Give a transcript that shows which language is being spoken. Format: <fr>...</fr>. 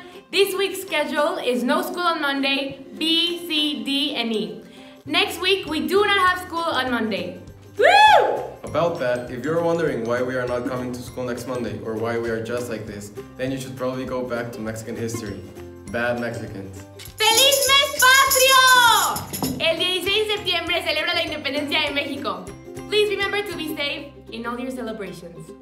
<en>This week's schedule is no school on Monday, B, C, D, and E. Next week, we do not have school on Monday. Woo! About that, if you're wondering why we are not coming to school next Monday, or why we are just like this, then you should probably go back to Mexican history. Bad Mexicans.</en> <es>¡Feliz mes patrio! El 16 de septiembre celebra la independencia de México.</es> <en>Please remember to be safe in all your celebrations.</en>